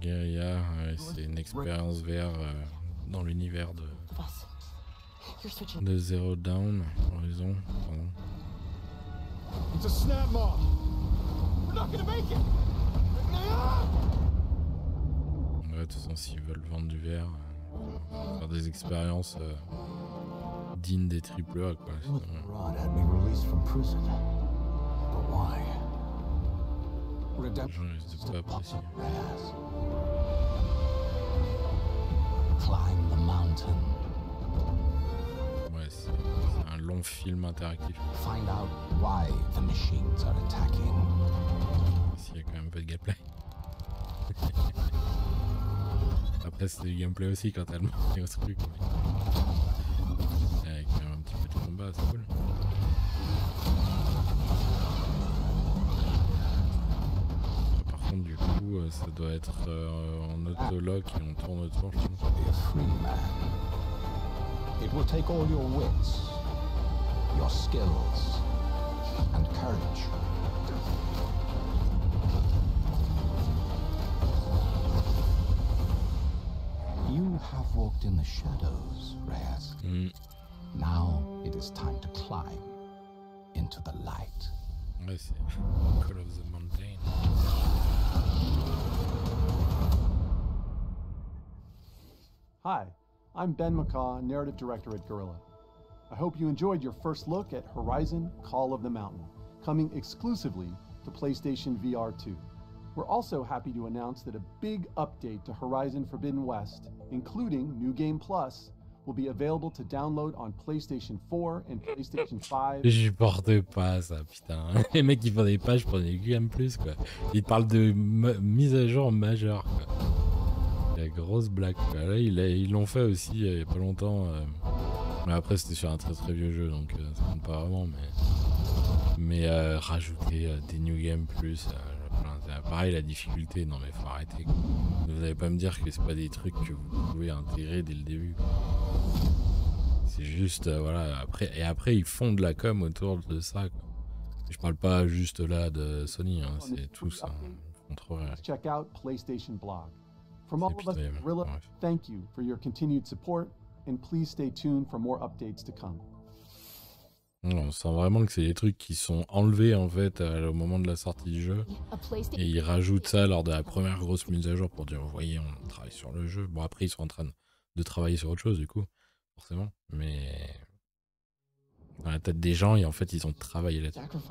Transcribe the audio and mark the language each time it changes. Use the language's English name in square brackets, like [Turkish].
[French] Guerilla, ouais, c'est une expérience VR dans l'univers de Zero Dawn, Horizon, pardon. [English] It's a snap mob. We're not gonna make it. [French] Ouais, de toute façon, s'ils veulent vendre du VR, faire des expériences dignes des triple A, quoi. [English] Rod had me released from prison, but why? [French] Redemption. Je ne sais pas. [English] Climb the mountain. [French] Ouais, c'est un long film interactif. [English] Find out why the machines are attacking. [French] S'il y a quand même un peu de gameplay. Après, c'est du gameplay aussi quand elle monte au truc. Avec un petit peu de combat, c'est cool. Par contre, du coup, ça doit être en auto-lock et on tourne autour, je pense. [English] It will take all your wits, your skills, and courage. You have walked in the shadows, Reyes. Now it is time to climb into the light. I see. Call of the Mountain. Hi. I'm Ben McCaw, narrative director at Guerrilla. I hope you enjoyed your first look at Horizon Call of the Mountain, coming exclusively to PlayStation VR 2. We're also happy to announce that a big update to Horizon Forbidden West, including New Game Plus, will be available to download on PlayStation 4 and PlayStation 5. [French] Je porte pas ça, putain. Les mecs, ils font des pages pour New Game Plus, quoi. Ils parlent de mise à jour majeure, quoi. La grosse blague, quoi. Là ils l'ont fait aussi il y a pas longtemps, mais après c'était sur un très très vieux jeu, donc ça compte pas vraiment, mais rajouter des new games plus, pareil la difficulté, non mais faut arrêter, quoi. Vous allez pas me dire que c'est pas des trucs que vous pouvez intégrer dès le début, quoi. C'est juste voilà, après, et après ils font de la com autour de ça, quoi. Je parle pas juste là de Sony, hein, c'est tout ça, hein. [English] Check out PlayStation Blog. From all of us at Guerrilla, thank you for your continued support, and please stay tuned for more updates to come. [French] On sent vraiment que c'est des trucs qui sont enlevés en fait au moment de la sortie du jeu, et ils rajoutent ça lors de la première grosse mise à jour pour dire, vous voyez, on travaille sur le jeu. Bon, après ils sont en train de travailler sur autre chose du coup, forcément, mais dans la tête des gens, et en fait ils ont travaillé là-dessus.